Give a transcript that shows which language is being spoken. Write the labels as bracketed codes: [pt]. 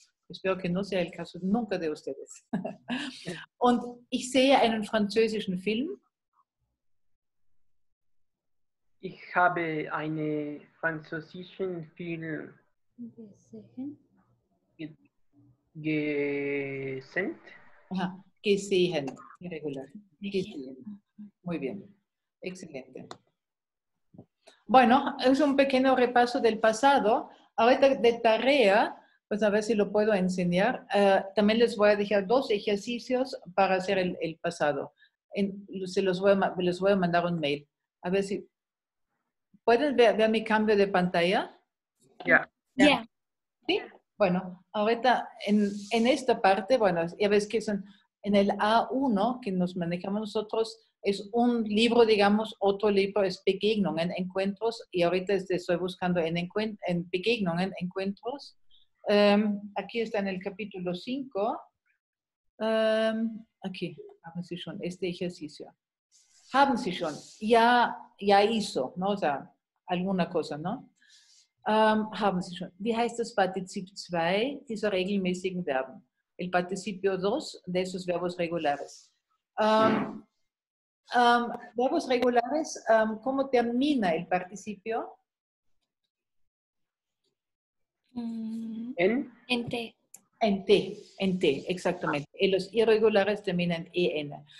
[es] Espero que no sea el caso nunca de ustedes. [de] Und ich sehe einen französischen Film. Ich habe einen französischen Film gesehen. [es] Gesehen. Irregular. Gesehen. Muy bien. Excelente. Bueno, es un pequeño repaso del pasado. Ahorita de tarea, pues a ver si lo puedo enseñar. También les voy a dejar dos ejercicios para hacer el pasado. Les voy a mandar un mail. A ver si... ¿Pueden ver mi cambio de pantalla? Ya. ¿Sí? Bueno, ahorita en esta parte, bueno, ya ves que son en el A1 que nos manejamos nosotros, es un libro, digamos, otro libro es Begegnungen, en Encuentros, y ahorita estoy buscando en Begegnungen, en Encuentros. Aquí está en el capítulo 5. Aquí, haben Sie schon este ejercicio. Haben Sie schon, ya hizo, ¿no? O sea, alguna cosa, ¿no? [de] Haben Sie schon. Wie heißt das Partizip 2 dieser regelmäßigen Verben? [es] El participio 2 de esos verbos regulares. Verbos regulares, ¿cómo termina el participio? En T, exactamente. Y los irregulares terminan en.